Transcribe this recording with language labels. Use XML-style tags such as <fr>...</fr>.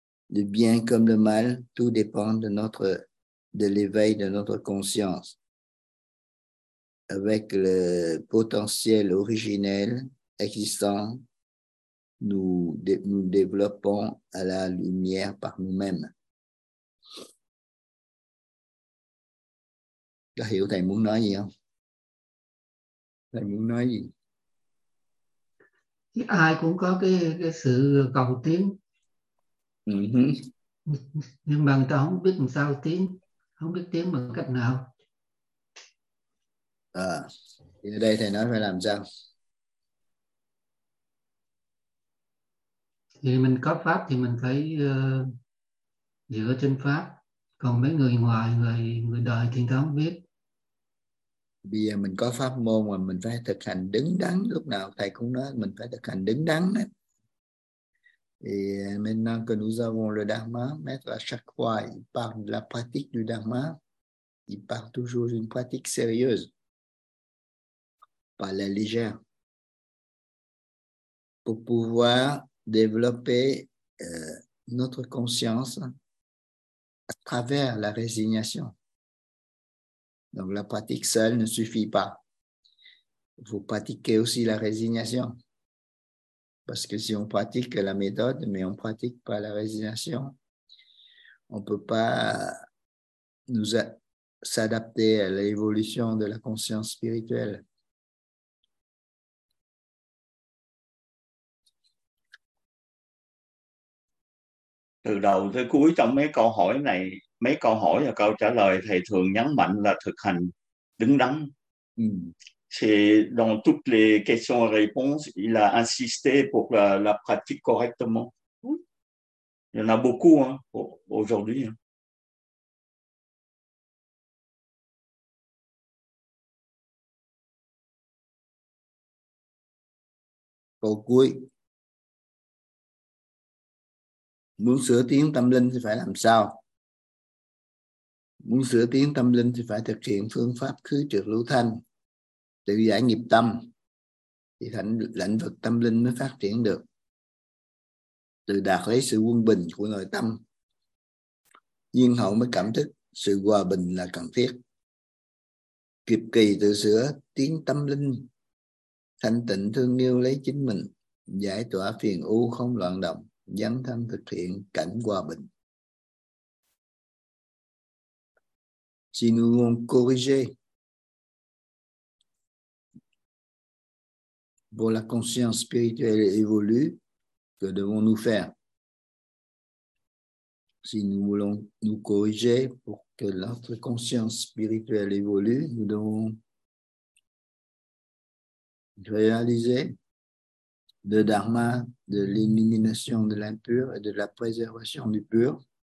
<fr>Le bien comme le mal, tout dépend de l'éveil de notre conscience. Avec le potentiel originel existant, nous développons à la lumière par nous-mêmes.</fr> <vi>Là, hiểu thầy muốn nói gì không? Thầy muốn nói gì? Thì ai cũng có cái sự cầu tiến. Nhưng mà người ta không biết làm sao tiến, không biết tiến bằng cách nào. À, thì ở đây thầy nói phải làm sao? Thì mình có pháp thì mình phải dựa trên pháp. Còn mấy người ngoài, người đời thì người ta không biết. Bây giờ mình có pháp môn mà mình phải thực hành đứng đắn, lúc nào thầy cũng nói mình phải thực hành đứng đắn ấy. Thì</vi> <fr>maintenant que nous avons le dharma, mettre à chaque fois il parle de la pratique du dharma, il parle toujours d'une pratique sérieuse, pas la légère, pour pouvoir développer notre conscience à travers la résignation. Donc la pratique seule ne suffit pas. Il faut pratiquer aussi la résignation. Parce que si on pratique la méthode, mais on ne pratique pas la résignation, on ne peut pas s'adapter à l'évolution de la conscience spirituelle.</fr> <vi>Từ đầu tới cuối trong mấy câu hỏi này, mấy câu hỏi và câu trả lời thầy thường nhấn mạnh là thực hành đứng đắn.</vi> <fr>C'est dans toutes les questions et réponses, il a insisté pour la pratique correctement. Il y en a beaucoup hein, aujourd'hui. Oui.</fr> <vi>Muốn sửa tiến tâm linh thì phải làm sao? Muốn sửa tiến tâm linh thì phải thực hiện phương pháp khứ trược lưu thanh, tự giải nghiệp tâm, thì lĩnh vực tâm linh mới phát triển được. Từ đạt lấy sự quân bình của nội tâm, duyên hậu mới cảm thức sự hòa bình là cần thiết. Kịp kỳ tự sửa tiến tâm linh, thanh tịnh thương yêu lấy chính mình, giải tỏa phiền u không loạn động, dấn thân thực hiện cảnh hòa bình.</vi> <fr>Si nous voulons corriger pour la conscience spirituelle évolue, que devons-nous faire? Si nous voulons nous corriger pour que notre conscience spirituelle évolue, nous devons réaliser le dharma de l'élimination de l'impur et de la préservation du pur.</fr>